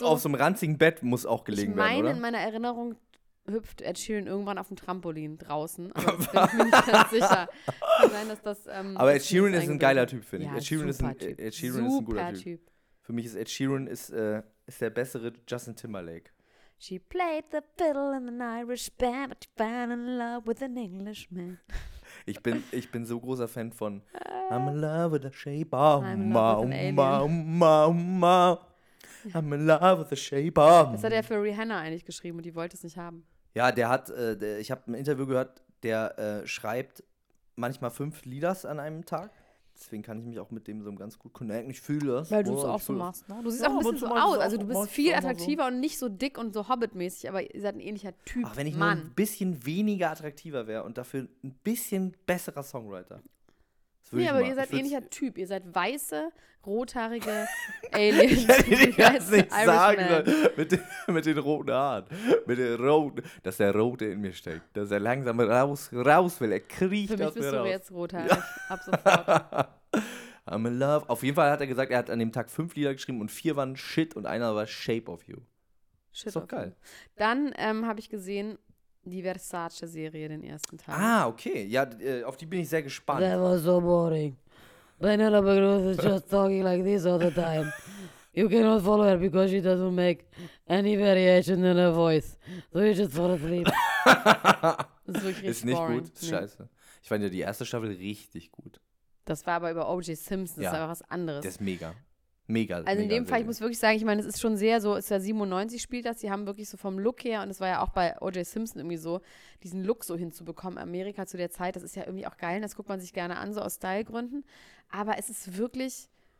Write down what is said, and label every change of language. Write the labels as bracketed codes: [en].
[de] so, auf so einem ranzigen Bett muss auch gelegen werden, oder? In meiner Erinnerung hüpft Ed Sheeran irgendwann auf dem Trampolin draußen. Aber das bin ich mir nicht ganz sicher. Nein, dass das, aber Ed Sheeran ist ein geiler Typ, finde ich. Ja, Ed Sheeran ist ein guter Typ. Für mich ist Ed Sheeran ist der bessere Justin Timberlake. [en] She played the fiddle in an Irish band, but she fell in love with an Englishman. [de] Ich bin so großer Fan von I'm in love with the shape of my. [en] I'm in love with the shape of. [de] Das hat er für Rihanna eigentlich geschrieben und die wollte es nicht haben. Ja, der hat, ich habe ein Interview gehört, der schreibt manchmal 5 Lieder an einem Tag. Deswegen kann ich mich auch mit dem so ganz gut connecten. Ich fühle das. Weil du es auch so machst, ne? Du siehst auch ein bisschen so aus. Also du bist viel attraktiver und nicht so dick und so Hobbit-mäßig, aber ihr seid ein ähnlicher Typ. Ach, wenn ich nur ein bisschen weniger attraktiver wäre und dafür ein bisschen besserer Songwriter. Nee, aber ihr seid ähnlicher Typ. Ihr seid weiße, rothaarige Aliens. Ich hätte dir das nicht sagen sollen. Mit den roten Haaren. Mit den roten, dass der Rote in mir steckt. Dass er langsam raus will. Er kriecht aus mir raus. Für mich bist du raus. Jetzt rothaarig. Ja. Ab sofort. [en] I'm in love. [de] Auf jeden Fall hat er gesagt, er hat an dem Tag 5 Lieder geschrieben und 4 waren Shit und einer war Shape of You. Shit. Ist doch geil. Dann habe ich gesehen die Versace-Serie, den ersten Teil. Ah, okay. Ja, auf die bin ich sehr gespannt. [en] That was so boring. Penelope Cruz is just talking like this all the time. You cannot follow her because she doesn't make any variation in her voice. So you just fall asleep. [de] Ist nicht boring. Gut. Ist scheiße. Ich fand ja die erste Staffel richtig gut. Das war aber über O.J. Simpson. Das ist einfach was anderes. Das ist mega. Mega. Also mega in dem Fall, ich muss wirklich sagen, ich meine, es ist schon sehr so, ist ja 97 spielt das, die haben wirklich so vom Look her, und es war ja auch bei O.J. Simpson irgendwie so, diesen Look so hinzubekommen, Amerika zu der Zeit, das ist ja irgendwie auch geil, und das guckt man sich gerne an, so aus Stylegründen, aber es ist wirklich...